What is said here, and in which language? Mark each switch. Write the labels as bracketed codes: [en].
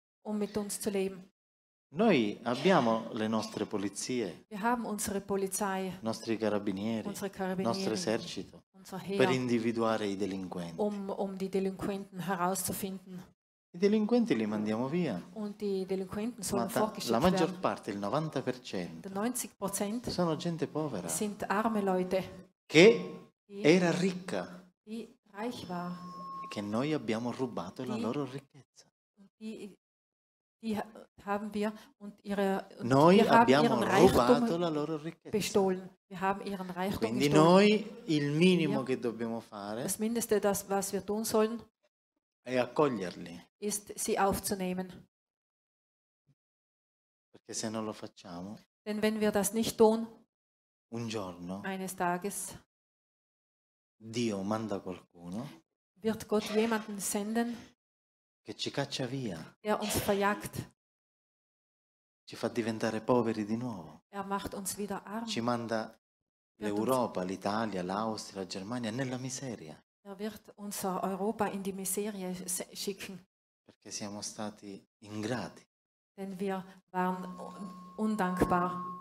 [de] Um mit uns zu leben. [it] Noi abbiamo le nostre polizie. [de] Wir haben unsere Polizei. [it] Nostri carabinieri. [de] Unsere Carabinieri. [it] Nostro esercito. [de] Unser Heer. [it] Per individuare i delinquenti. [de] Um die Delinquenten herauszufinden. [it] I delinquenti li mandiamo via. [de] Und die Delinquenten sollen fortgeschickt werden. [it] La maggior parte, il 90%, sono gente povera. [de] Sind arme Leute. [it] Che era ricca. [de] Die reich war. [it] Che noi abbiamo rubato la loro ricchezza. [de] Die haben wir und ihre [it] noi [de] wir [it] abbiamo [de] haben ihren [it] rubato [de] Reichtum [it] la loro ricchezza. [de] Bestohlen. Wir haben ihren Reichtum [it] quindi [de] gestohlen. [it] Noi il minimo che dobbiamo fare [de] das Mindeste, das, was wir tun sollen, [it] è accoglierli. [de] Ist, sie aufzunehmen. [it] Perché se non lo facciamo, [de] denn wenn wir das nicht tun, [it] un giorno, [de] eines Tages, [it] Dio manda qualcuno, [de] wird Gott jemanden senden, [it] che ci caccia via. [de] Er uns verjagt. [it] Ci fa diventare poveri di nuovo. [de] Er macht uns wieder arm. [it] Ci manda l'Europa, l'Italia, l'Austria, la Germania nella miseria. [de] Er wird unser Europa in die Miserie schicken. [it] Perché siamo stati ingrati. [de] Denn wir waren undankbar.